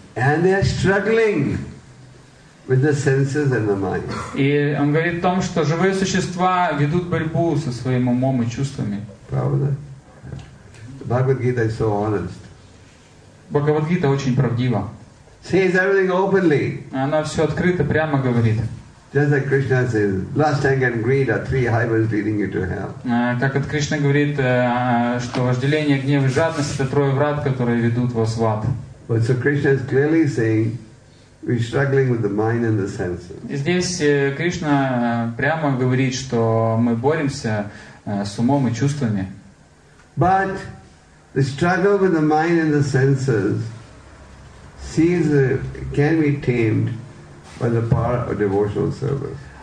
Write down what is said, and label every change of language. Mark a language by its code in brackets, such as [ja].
[en] And they are struggling. with the senses and the mind. [ru] И он говорит о том, что живые существа ведут борьбу со своим умом и чувствами. Правда? [en] Bhagavad Gita is so honest. [ru] Bhagavad Gita очень правдива. [en] Says everything openly. [ru] Она все открыто, прямо говорит. [en] Just like Krishna says, lust, anger, and greed are three highways leading you to hell. [ru] Как от Кришна говорит, что вожделение, гнев и жадность — это трое врат, которые ведут вас в ад. [en] But so Krishna is clearly saying, we're struggling with the mind and the senses. [ru] Здесь Кришна прямо говорит, что мы боремся с умом и чувствами. [en] But the struggle with the mind and the senses sees can be tamed by the power of devotional service.